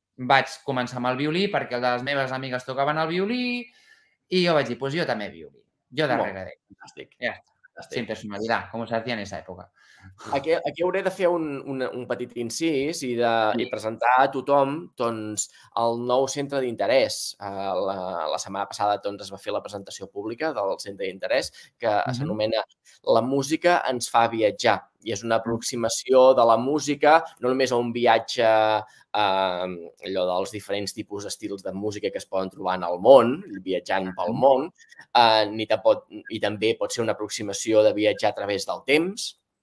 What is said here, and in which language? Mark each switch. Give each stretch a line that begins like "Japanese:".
Catalan: Vaig començar amb el violí perquè les meves amigues tocaven el violí i jo vaig dir, pues jo també violí. Jo darrere d'ell. Fantàstic.
Spanish: Sin personalidad, como se hacía en esa época.
Catalan: Aquí hauré de fer un petit incís i presentar a tothom el nou centre d'interès. La setmana passada es va fer la presentació pública del centre d'interès que s'anomena La música ens fa viatjar. I és una aproximació de la música, no només a un viatge, allò dels diferents tipus d'estils de música que es poden trobar en el món, viatjant pel món, i també pot ser una aproximació de viatjar a través del temps,